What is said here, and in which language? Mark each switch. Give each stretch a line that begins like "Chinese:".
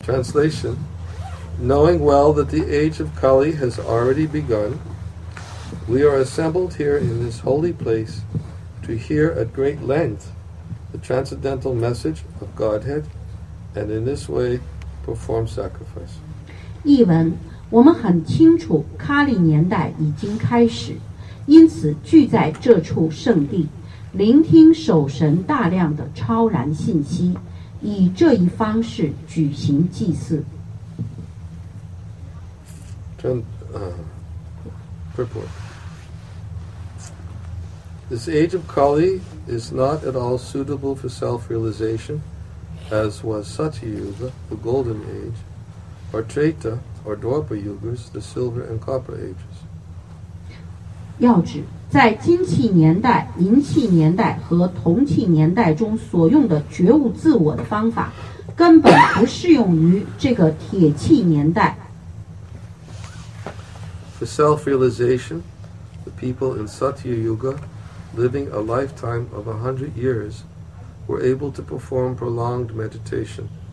English: Translation: knowing well that the age of Kali has already begun, we are assembled here in this holy place to hear at great length the transcendental message of Godhead, and in this way perform sacrifice.
Chinese: 译文：我们很清楚喀利年代已经开始，因此聚在这处圣地，聆听守神大量的超然信息，以这一方式举行祭祀。
English: Purport. This age of Kali is not at all suitable for self-realization, as was Satyayuga, the golden age, or Treta, or Dwapara Yugas, the silver and copper ages.
Chinese: 要指在金器年代、银器年代和铜器年代中所用的觉悟自我的方法，根本不适用于这个铁器年代。
English: For self-realization, the people in Satyayuga, living a lifetime of 100 years, were able to perform prolonged meditation.